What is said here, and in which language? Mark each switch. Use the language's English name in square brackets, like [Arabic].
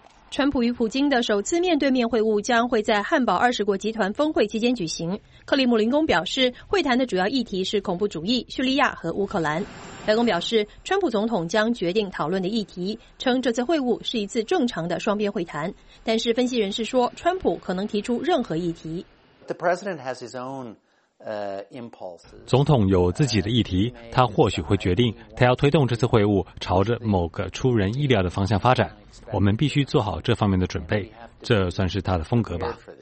[Chinese] 川普与普京的首次面对面会晤将会在汉堡二十国集团峰会期间举行。克里姆林宫表示，会谈的主要议题是恐怖主义、叙利亚和乌克兰。白宫表示，川普总统将决定讨论的议题，称这次会晤是一次正常的双边会谈。但是分析人士说，川普可能提出任何议题。 [English] The president has his own impulses. [Chinese] 总统有自己的议题，他或许会决定他要推动这次会晤朝着某个出人意料的方向发展。我们必须做好这方面的准备，这算是他的风格吧。